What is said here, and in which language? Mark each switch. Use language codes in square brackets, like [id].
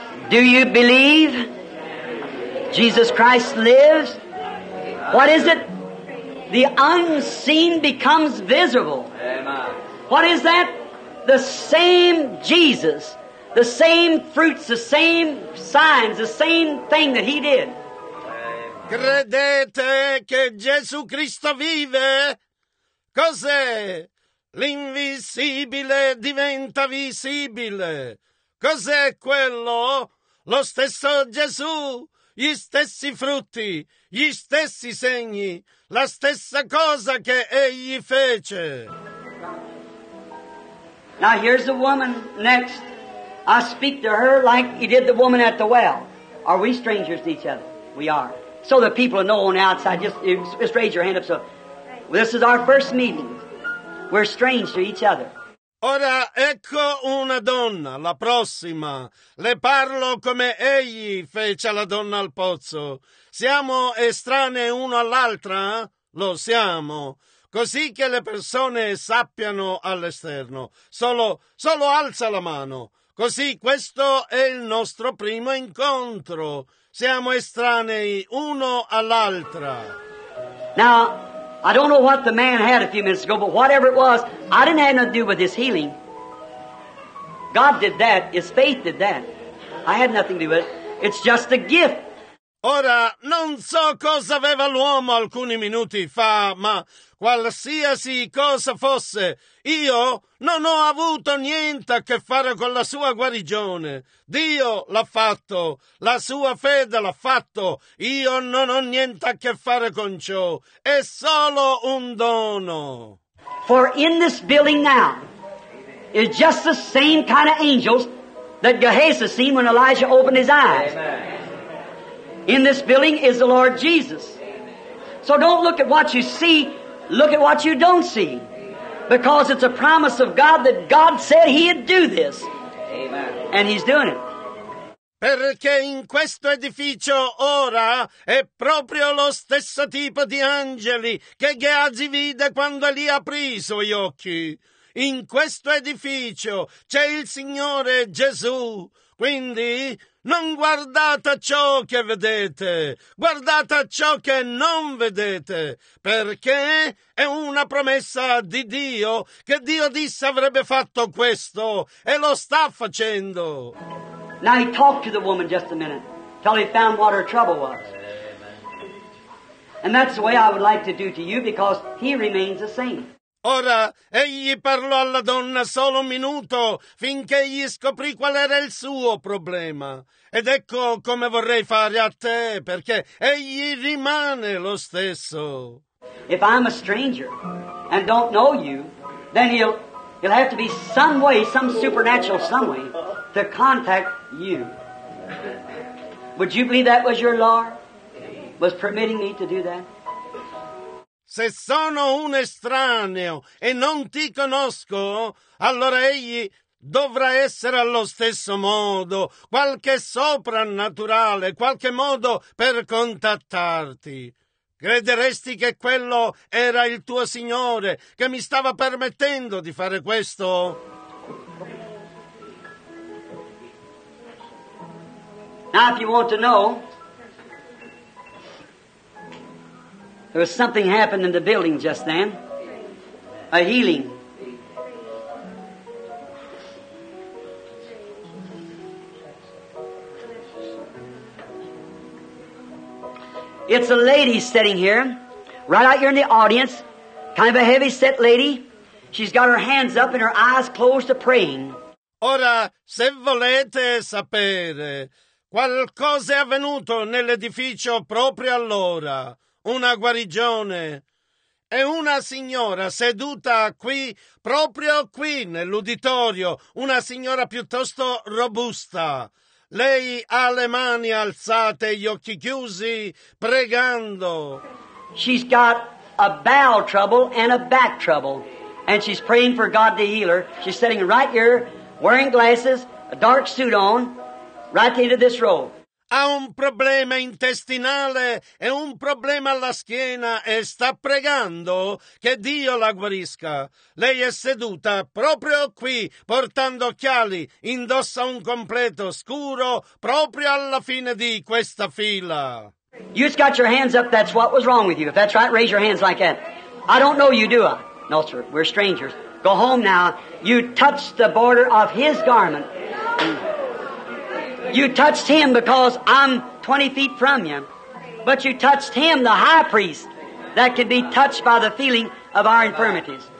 [en] Do you believe Jesus Christ lives? What is it? The unseen becomes visible. What is that? The same Jesus. The same fruits, the same signs, the same thing that he did. [it] Credete che Gesù Cristo vive? Cos'è? L'invisibile diventa visibile. Cos'è quello? Lo stesso Gesù, gli stessi frutti, gli stessi segni, la stessa cosa che egli fece. [en] Now here's the woman next. I speak to her like he did the woman at the well. Are we strangers to each other? We are. So the people know on the outside, just raise your hand up. So this is our first meeting. We're strange to each other. [it] Ora ecco una donna, la prossima. Le parlo come egli fece alla donna al pozzo. Siamo estranei uno all'altra? Lo siamo. Così che le persone sappiano all'esterno. Solo alza la mano. Così questo è il nostro primo incontro. Siamo estranei uno all'altra. [en] Now, I don't know what the man had a few minutes ago, but whatever it was, I didn't have nothing to do with his healing. God did that. His faith did that. I had nothing to do with it. It's just a gift. [it] Ora, non so cosa aveva l'uomo alcuni minuti fa, ma qualsiasi cosa fosse, io non ho avuto niente a che fare con la sua guarigione. Dio l'ha fatto, la sua fede l'ha fatto, io non ho niente a che fare con ciò. È solo un dono. [en] For in this building now is just the same kind of angels that Gehazi seen when Elijah opened his eyes. In this building is the Lord Jesus. So don't look at what you see, look at what you don't see. Because it's a promise of God that God said He'd do this. And He's doing it. [it] Perché in questo edificio ora è proprio lo stesso tipo di angeli che Gehazi vide quando lì aprì i suoi occhi. In questo edificio c'è il Signore Gesù. Quindi non guardate ciò che vedete, guardate ciò che non vedete, perché è una promessa di Dio che Dio disse avrebbe fatto questo e lo sta facendo. [en] Now he talked to the woman just a minute, till he found what her trouble was. And that's the way I would like to do to you because he remains the same. [it] Ora, egli parlò alla donna solo un minuto finché egli scoprì qual era il suo problema. Ed ecco come vorrei fare a te, perché egli rimane lo stesso. [en] If I'm a stranger and don't know you, then he'll have to be some way, some supernatural some way, to contact you. Would you believe that was your Lord? Was permitting me to do that? [it] Se sono un estraneo e non ti conosco, allora egli dovrà essere allo stesso modo, qualche soprannaturale, qualche modo per contattarti. Crederesti che quello era il tuo Signore che mi stava permettendo di fare questo? [en] Now if you want to know, there was something happened in the building just then. A healing. It's a lady sitting here, right out here in the audience, kind of a heavy set lady. She's got her hands up and her eyes closed to praying. [it] Ora, se volete sapere, qualcosa è avvenuto nell'edificio proprio allora. Una guarigione. E una signora seduta qui, proprio qui nell'uditorio, una signora piuttosto robusta. Lei ha le mani alzate, gli occhi chiusi, pregando. [en] She's got a bowel trouble and a back trouble, and she's praying for God to heal her. She's sitting right here, wearing glasses, a dark suit on, right into this robe. [it] Ha un problema intestinale e un problema alla schiena e sta pregando che Dio la guarisca. Lei è seduta proprio qui, portando occhiali, indossa un completo scuro proprio alla fine di questa fila. [en] You just got your hands up, that's what was wrong with you. If that's right, raise your hands like that. I don't know you, do I? No, sir, we're strangers. Go home now. You touched the border of his garment. You touched him because I'm 20 feet from you. But you touched him, the high priest, that could be touched by the feeling of our infirmities.